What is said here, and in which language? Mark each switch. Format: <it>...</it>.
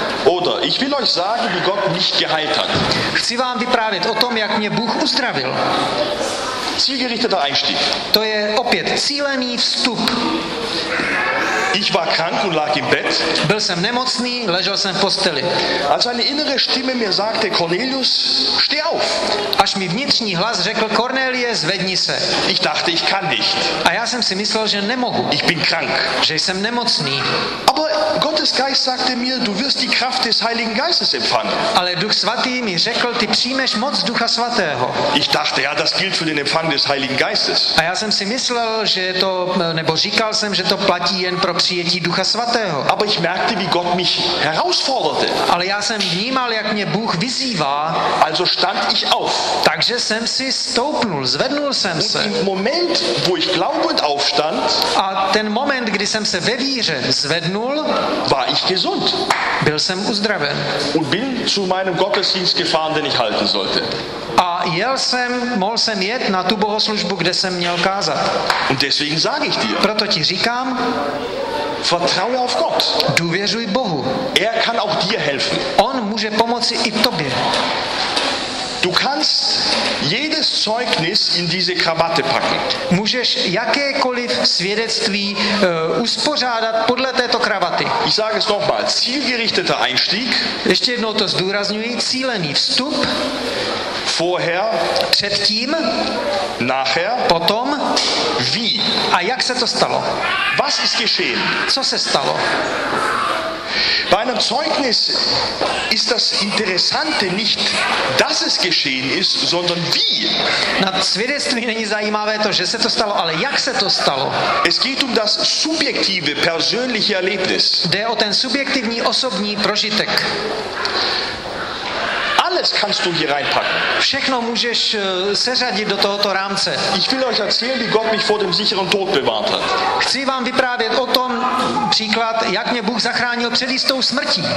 <de>Oder, ich will euch sagen, wie Gott mich geheilt hat.</de> <cs>Chci vám vyprávět o tom, jak mě Bůh uzdravil.</cs> <de>Zielgerichteter Einstieg.</de> <cs>To je opět cílený vstup.</cs> <de>Ich war krank und lag im Bett.</de> <cs>Byl jsem nemocný, ležel jsem v posteli.</cs> <de>Als eine innere Stimme mir sagte, Cornelius, steh auf.</de> <cs>Až mi vnitřní hlas řekl, Cornelius, zvedni se.</cs> <de>Ich dachte, ich kann nicht.</de> <cs>A já jsem si myslel, že nemohu.</cs> <de>Ich bin krank.</de> <cs>Že jsem nemocný.</cs> <de>Aber Gottes Geist sagte mir, du wirst die Kraft des Heiligen Geistes empfangen.</de> <cs>Ale Duch Svatý mi řekl, ty přijmeš moc Ducha Svatého.</cs> <de>Ich dachte, ja, das gilt für den Empfang des Heiligen Geistes.</de> <cs>A já jsem si myslel, že to, nebo říkal jsem, že to platí jen pro přijetí Ducha Svatého.</cs> <de>Aber ich merkte, wie Gott mich herausforderte.</de> <cs>Ale já jsem vnímal, jak mě Bůh vyzývá.</cs> <de>Also stand ich auf.</de> <cs>Takže jsem si stoupnul, zvednul jsem se.</cs> <de>Und im Moment, wo ich glaubend aufstand,</de> <cs>a ten moment, kdy jsem se ve víře zvednul,</cs> <de>war ich gesund.</de> <cs>Byl jsem uzdraven.</cs> <de>Und bin zu meinem Gottesdienst gefahren, den ich halten sollte.</de> <cs>A jel jsem, mohl jsem jet na tu bohoslužbu, kde jsem měl kázat.</cs> <de>Und deswegen sage ich dir.</de> <cs>Proto ti říkám,</cs> <de>vertraue auf Gott.</de> <cs>Důvěřuj Bohu.</cs> <de>Er kann auch dir helfen.</de> <cs>On může pomoci i tobě.</cs> <de>Du kannst jedes Zeugnis in diese Krawatte packen.</de> <cs>Můžeš jakékoliv svědectví uspořádat podle této kravaty.</cs> <de>Ich sage es nochmal, zielgerichteter Einstieg.</de> <cs>Ještě jednou to zdůrazňuji, cílený vstup.</cs> <de>Vorher.</de> <cs>Předtím.</cs> <de>Nachher.</de> <cs>Potom.</cs> <de>Wie.</de> <cs>A jak se to stalo?</cs> <de>Was ist geschehen?</de> <cs>Co se stalo?</cs> <de>Bei einem Zeugnis ist das Interessante nicht, dass es geschehen ist, sondern wie.</de> <cs>Na svědectví není zajímavé to, že se to stalo, ale jak se to stalo.</cs> <de>Es geht um das subjektive, persönliche Erlebnis.</de> <cs>Jde o ten subjektivní, osobní prožitek.</cs> <de>alles kannst du hier reinpacken.</de> <cs>Všechno můžeš seřadit do tohoto rámce.</cs> <de>Ich will euch erzählen, wie Gott mich vor dem sicheren Tod bewahrt hat.</de> <cs>Chci vám vyprávět o tom příklad, jak mě Bůh zachránil před jistou smrtí.</cs>